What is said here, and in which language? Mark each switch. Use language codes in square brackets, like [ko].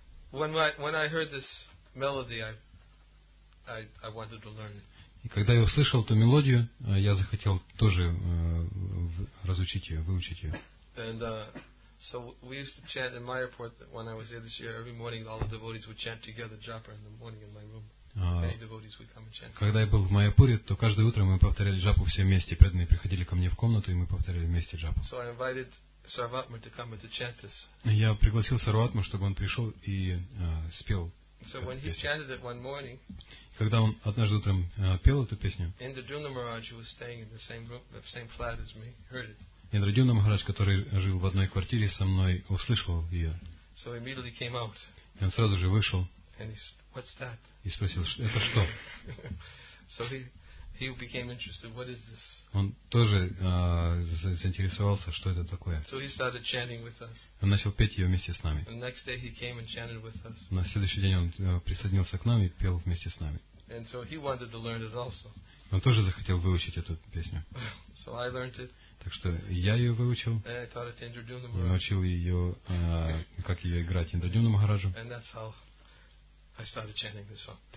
[en] When I heard this melody, I wanted to learn it. [ru] И когда я услышал эту мелодию, я захотел тоже разучить ее, выучить ее. [en] And so we used to chant in my airport that when I was there this year, every morning all the devotees would chant together japa in the morning in my room. Many devotees would come and chant. [ru] Когда я был в Майяпуре, то каждое утро мы повторяли джапу все вместе. Преданные приходили ко мне в комнату, и мы повторяли вместе джапу. [en] So I invited Sarvatma to come and to chant this. [ru] Я пригласил Сарватму, чтобы он пришел и спел. [en] So when he chanted it one morning, [ru] когда он однажды утром пел эту песню, [en] Indradyumna Maharaj, who was staying in the same room, the same flat as me, heard it. [ru] Индрадюна Махарадж, который жил в одной квартире со мной, услышал ее. [en] So he immediately came out. [ru] И он сразу же вышел. [en] And he said, "What's that?" [ru] И спросил, это что? [en] So he became interested. What is this? [ru] Он тоже заинтересовался, что это такое. [en] So he started chanting with us. [ru] Он начал петь ее вместе с нами. [en] And the next day he came and chanted with us. [ru] На следующий день он присоединился к нам и пел вместе с нами. [en] And so he wanted to learn it also. [ru] Он тоже захотел выучить эту песню. [en] So I learned it. [ru] Так что я ее выучил. [en] And I taught it to Indradyumna Maharaj. [ru] Научил ее, как ее играть Индрадюна Махараджу. [en] And that's how I started chanting this song.